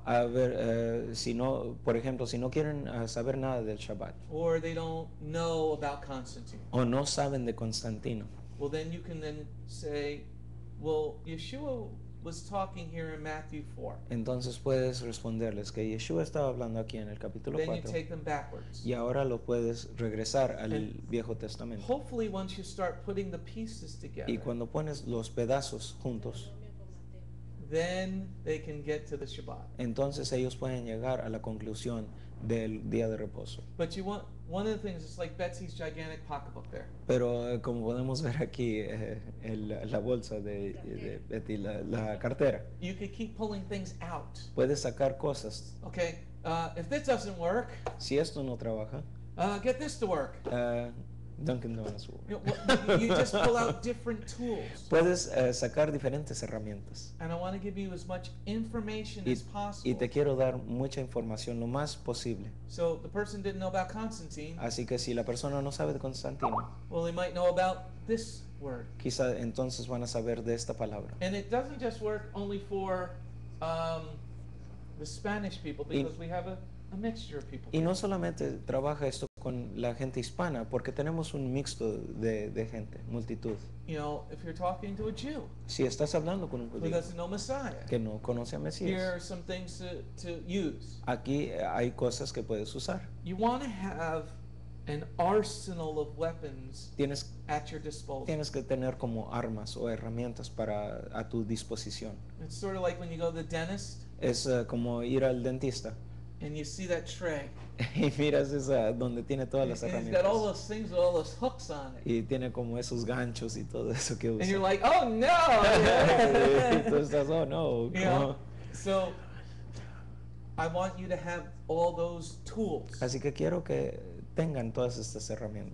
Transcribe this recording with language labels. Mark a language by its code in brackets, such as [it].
[es] A ver, si no, por ejemplo, si no quieren saber nada del Shabbat. [en] Or they don't know about Constantine. [es] O no saben de Constantino. [en] Well, then you can then say, well, Yeshua was talking here in Matthew 4. [es] Entonces puedes responderles que Yeshua estaba hablando aquí en el capítulo 4. [en] Then you take them backwards. [es] Y ahora lo puedes regresar al Viejo Testamento. [en] Hopefully, once you start putting the pieces together. [es] Y cuando pones los pedazos juntos. [en] Then they can get to the Shabbat. [es] Entonces ellos pueden llegar a la conclusión del día de reposo. [en] But you want, One of the things is like Betsy's gigantic pocketbook there. [es] Pero como podemos ver aquí, la bolsa de Betty, la cartera. [en] You could keep pulling things out. [es] Puedes sacar cosas. [en] Okay, if this doesn't work. [es] Si esto no trabaja. [en] Get this to work. Dunkin' Donuts will work. You just pull out different tools. [es] Puedes sacar diferentes herramientas. [en] And I want to give you as much information as possible. [es] Y te quiero dar mucha información lo más posible. [en] So the person didn't know about Constantine. [es] Así que si la persona no sabe de Constantino. [en] Well, they might know about this word. [es] Quizá entonces van a saber de esta palabra. [en] And it doesn't just work only for the Spanish people, because we have a mixture of people. [es] Y no solamente trabaja esto con la gente hispana, porque tenemos un mixto de gente, multitud. [en] You know, if you're talking to a Jew, [es] si estás hablando con un judío, [en] who doesn't know Messiah, [es] que no conoce a Mesías, [en] here are some things to use. [es] Aquí hay cosas que puedes usar. [en] You want to have an arsenal of weapons at your disposal. [es] Tienes que tener como armas o herramientas para a tu disposición. [en] It's sort of like when you go to the dentist. [es] Es como ir al dentista. [en] And you see that tray. [es] Y miras esa, donde tiene todas las herramientas. [en] It's got all those things with all those hooks on it. [es] Y tiene como esos ganchos y todo eso que usa. [en] And you're like, oh no! [es] Entonces estás, oh no. [en] Yeah. So, I want you to have all those tools. [es] Así que quiero que tengan todas estas herramientas.